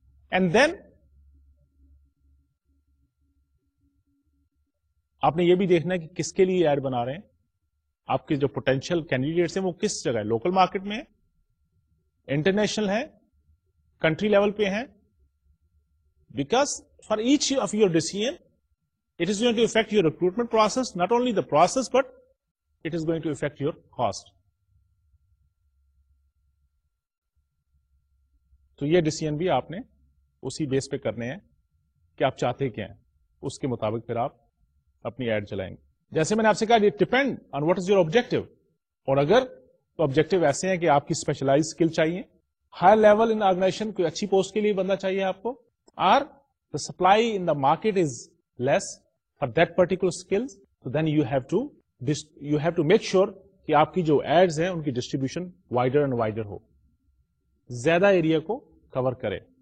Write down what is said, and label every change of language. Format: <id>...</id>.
<ur>And then آپ نے یہ بھی دیکھنا ہے کہ کس کے لیے ایڈ بنا رہے ہیں، آپ کے جو پوٹینشیل کینڈیڈیٹس ہیں وہ کس جگہ ہے، لوکل مارکیٹ میں ہے، انٹرنیشنل ہے، کنٹری لیول پہ ہیں.</ur> <en>Because for each of your decision it is going to affect your recruitment process, not only the process but it is going to affect your cost.</en> <ur>تو یہ decision بھی آپ نے اسی بیس پہ کرنے ہیں کہ آپ چاہتے کیا ہیں، اس کے مطابق پھر آپ اپنی ایڈ چلائیں گے. جیسے میں نے آپ سے کہا</ur> <en>it depend on what is your objective,</en> <ur>اور اگر تو آبجیکٹو ایسے ہیں کہ آپ کی اسپیشلائز اسکل چاہیے، ہائر لیول ان آرگنائزیشن، کوئی اچھی پوسٹ کے لیے بندہ چاہیے آپ کو، اور</ur> <en>the supply in the market is less for that particular skill,</en> <ur>تو</ur> <en>then you have to make sure</en> <ur>کہ آپ کی جو ایڈز ہیں ان کی ڈسٹریبیوشن وائڈر اینڈ وائڈر ہو، زیادہ ایریا کو کور کرے.</ur>